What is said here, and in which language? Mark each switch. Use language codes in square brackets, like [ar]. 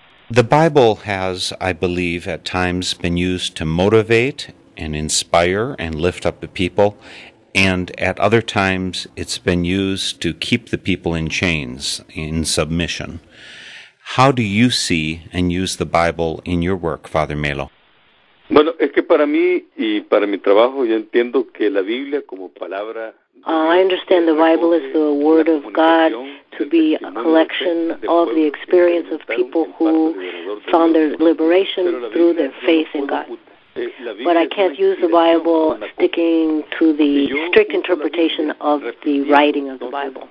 [en] The Bible has, I believe, at times been used to motivate and inspire and lift up the people, and at other times it's been used to keep the people in chains, in submission. How do you see and use the Bible in your work, Father Melo? [es] Bueno, es que para mí y para mi trabajo yo entiendo que la Biblia como palabra... [en] I understand the Bible is the word of God to be a collection of the experience of people who found their liberation through their faith in God. But I can't use the Bible sticking to the strict interpretation of the writing of the Bible.